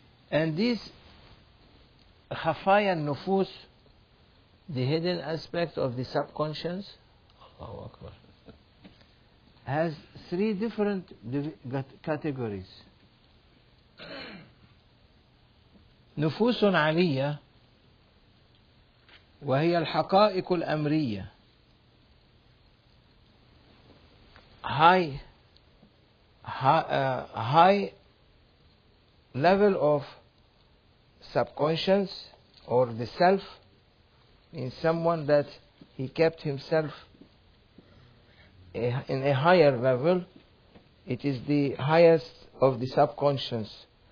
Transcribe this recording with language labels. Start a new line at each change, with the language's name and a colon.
English: And this khafaya nufus, the hidden aspect of the subconscious, Allahu Akbar, has three different categories.
Arabic: نفوس عالية وهي الحقائق الأمرية.
English: High level of subconscious or the self, in someone that he kept himself in a higher level, it is the highest of the subconscious.